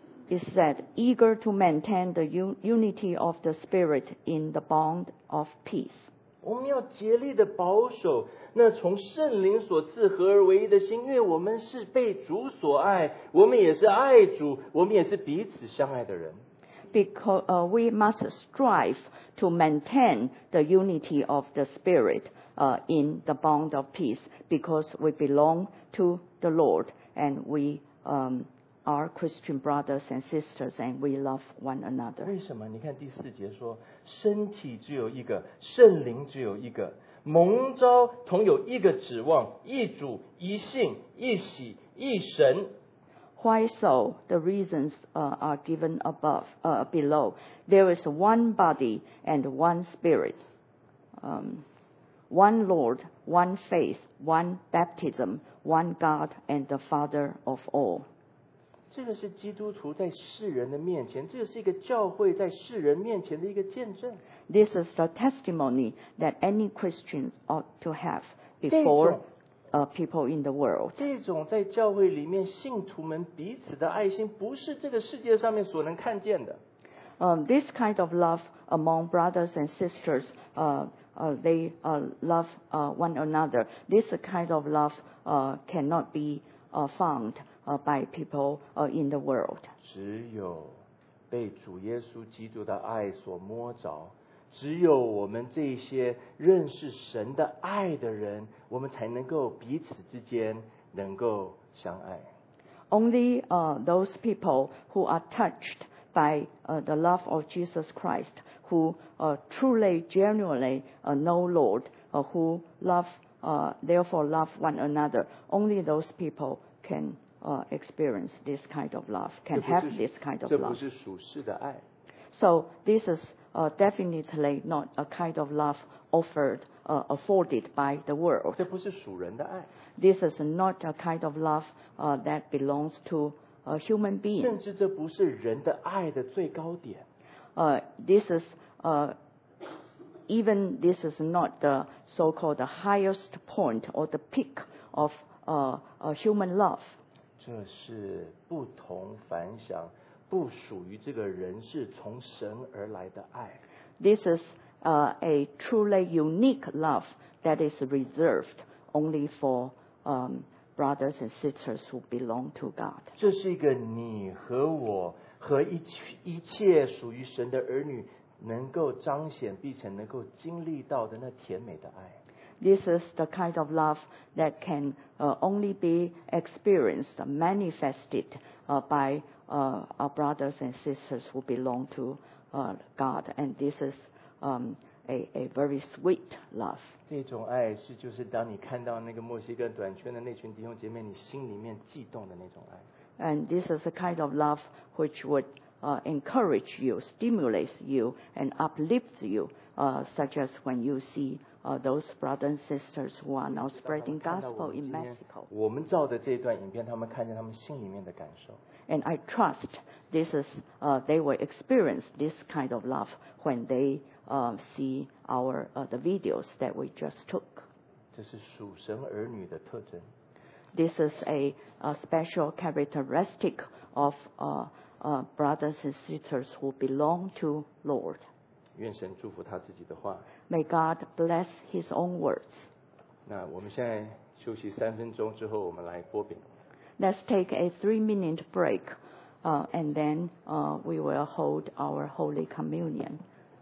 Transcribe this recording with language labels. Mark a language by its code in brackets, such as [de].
[en] it said, eager to maintain the unity of the Spirit in the bond of peace. [zh] 我们要竭力的保守那从圣灵所赐合而为一的心，因为我们是被主所爱，我们也是爱主，我们也是彼此相爱的人。 [en] Because we must strive to maintain the unity of the Spirit in the bond of peace, because we belong to the Lord and we are Christian brothers and sisters and we love one another. [zh] 为什么？你看第四节说，身体只有一个，圣灵只有一个，蒙召同有一个指望，一主，一信，一喜，一神。 [en] Why so? The reasons are given above, below. There is one body and one spirit, one Lord, one faith, one baptism, one God and the Father of all. [zh] 这个是基督徒在世人的面前，这个是一个教会在世人面前的一个见证。 [en] This is the testimony that any Christians ought to have before people in the world. [zh] 这种在教会里面信徒们彼此的爱心，不是这个世界上面所能看见的。 [en] This kind of love among brothers and sisters, they love one another. This kind of love cannot be found by people in the world. [zh] 只有被主耶稣基督的爱所摸着，只有我们这些认识神的爱的人，我们才能够彼此之间能够相爱。 [en] Only those people who are touched by the love of Jesus Christ, who truly, genuinely know Lord, who love, therefore love one another, only those people can experience this kind of love, can have this kind of love. [zh] 这不是属世的爱。 [en] So this is definitely not a kind of love offered, afforded by the world. [zh] 这不是属人的爱。 [en] This is not a kind of love that belongs to a human being. [zh] 甚至这不是人的爱的最高点。 [en] This is even this is not the so-called the highest point or the peak of human love. [zh] 这是不同凡响，不属于这个人，是从神而来的爱。 [en] This is a truly unique love that is reserved only for brothers and sisters who belong to God. [zh] 这是一个你和我和一切属于神的儿女能够彰显并且能够经历到的那甜美的爱。 [en] This is the kind of love that can only be experienced, manifested by our brothers and sisters who belong to God. And this is a very sweet love. [zh] 这种爱是就是当你看到那个墨西哥短圈的那群弟兄姐妹，你心里面悸动的那种爱。 [en] And this is the kind of love which would encourage you, stimulates you, and uplifts you, such as when you see those brothers and sisters who are now spreading gospel in Mexico. [zh] 我们照的这段影片，他们看见他们心里面的感受。 [en] And I trust this is they will experience this kind of love when they see our the videos that we just took. [zh] 这是属神儿女的特征。 [en] This is a special characteristic of brothers and sisters who belong to Lord. [zh] 愿神祝福他自己的话。 [en] May God bless His own words. [zh] 那我们现在休息三分钟之后，我们来播饼。 [en] Let's take a 3-minute break, and then we will hold our Holy Communion.